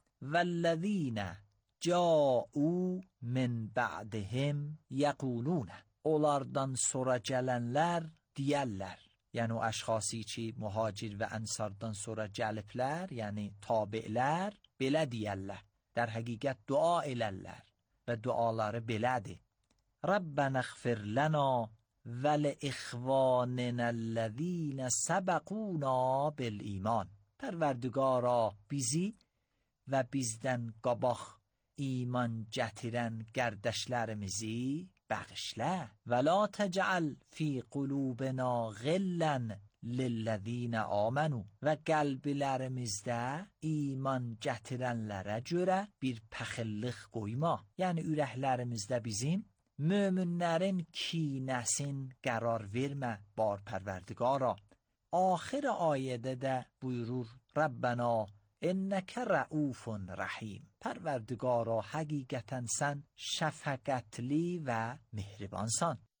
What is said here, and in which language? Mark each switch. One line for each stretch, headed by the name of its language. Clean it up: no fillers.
Arabic: Vəlləzinə جاءوا من بعدهم يقولون
Azerbaijani: اولاردان sonra gələnlər deyərlər. Yəni o əşxası ki mühacir və ənsardan sonra gəliblər, yəni tabiələr belə deyərlər. Dər həqiqət dua elərlər və duaları belədir.
Arabic: ربنا اغفر لنا ولإخواننا الذين سبقونا بالإيمان.
Azerbaijani: پروردگارا bizi və bizdən qabaq İman gətirən qərdəşlərimizi bəğişlə.
Arabic: Və la təcəl fi qulubina ghillən lilləzinə amənu.
Azerbaijani: Və qəlbilərimizdə iman gətirənlərə görə bir pəxillik qoyma. Yəni, ürəklərimizdə bizim möminlərin kinəsin qərar vermə bar pərvərdiqara. Axir ayədə də buyurur
Arabic: Rəbbənə, اِنَّكَ رَعُوفٌ رَحِيمٌ
Azerbaijani: پروردگارا حقیقتن سن شفقتلی و مهربانسان.